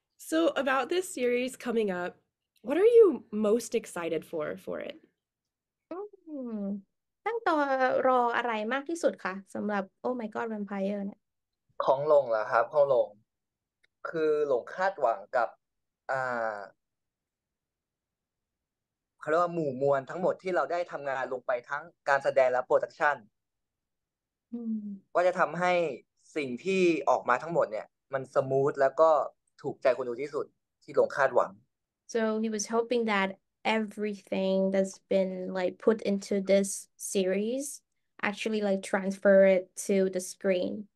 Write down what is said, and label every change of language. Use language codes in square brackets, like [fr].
[en] So about this series coming up, what are you most excited for it? [th] ตั้งตัวรออะไรมากที่สุดคะสำหรับ Oh my God Vampire เนี่ย ของลงเหรอครับของลงคือหลงคาดหวังกับเขาเรียกว่าหมู่มวลทั้งหมดที่เราได้ทำงานลงไปทั้งการแสดงและโปรดักชันว่าจะทำให้สิ่งที่ออกมาทั้งหมดเนี่ยมันสมูทแล้วก็ถูกใจคนดูที่สุดที่ลงคาดหวัง [en] So he was hoping that everything that's been like put into this series actually like transfer it to the screen.